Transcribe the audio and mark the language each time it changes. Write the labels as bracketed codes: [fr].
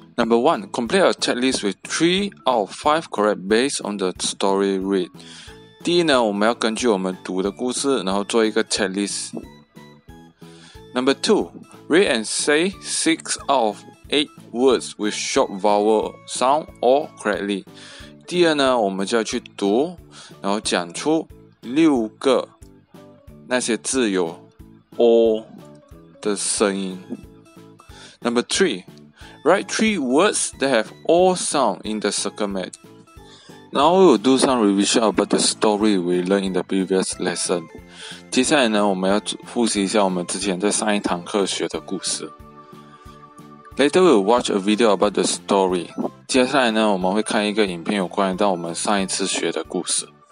[en] Number 1, complete a checklist with 3 out of 5 correct based on the story read. [zh] 第一呢，我们要根据我们读的故事，然后做一个 checklist. [en] Number 2, read and say 6 out of 8 words with short vowel sound all correctly. [zh] 第二呢，我们就要去读，然后讲出6个那些字有 O 的声音。 [en] Number 3,Write 3 words that have all sound in the circumlet. Now we will do some revision about the story we learned in the previous lesson. [zh] 接下来呢，我们要复习一下我们之前在上一堂课学的故事。 [en] Later we will watch a video about the story. [zh] 接下来呢，我们会看一个影片有关到我们上一次学的故事。